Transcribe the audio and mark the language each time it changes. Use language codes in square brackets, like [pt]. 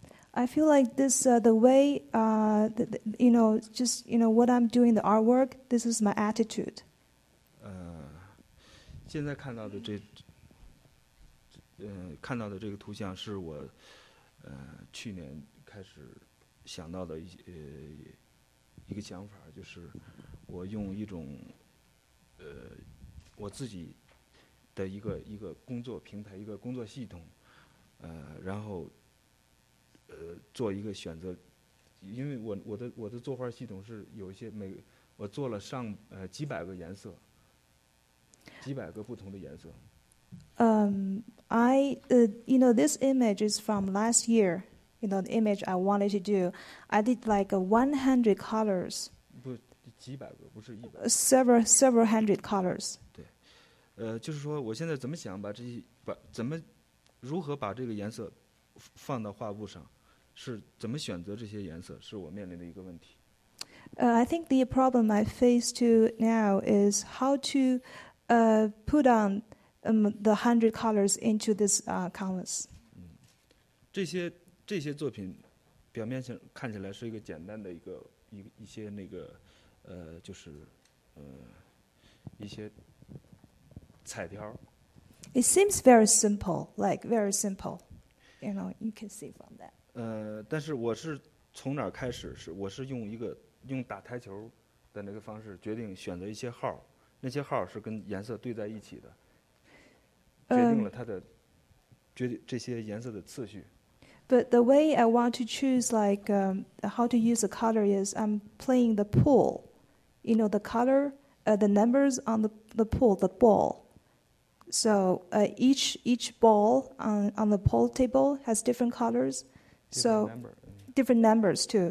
[en] I feel like this what I'm doing the artwork. This is my attitude. [zh] 现在看到的这个图像是我去年开始想到的一些一个想法，就是我用一种我自己的一个工作平台，一个工作系统，然后做一个选择，因为我的作画系统是有一些每我做了上几百个颜色，几百个不同的颜色。 [en] You know, this image is from last year. You know, the image I wanted to do, I did like 100 colors. [zh] 不，几百个，不是一百。 [en] Several hundred colors. [zh] 对，就是说，我现在怎么想把这些把怎么如何把这个颜色放到画布上，是怎么选择这些颜色，是我面临的一个问题。 [en] I think the problem I face to now is how to put on the 100 colors into this canvas. [zh] 这些作品表面上看起来是一个简单的一些那个就是一些彩条。 [en] It seems very simple, like very simple. You know, you can see from that. [zh] 但是我是从哪儿开始？我是用打台球的那个方式决定选择一些号，那些号是跟颜色对在一起的，决定了它的决定这些颜色的次序。 [en] But the way I want to choose like how to use the color is I'm playing the pool, you know, the color, the numbers on the pool, the ball. So each ball on the pool table has different colors, different numbers too.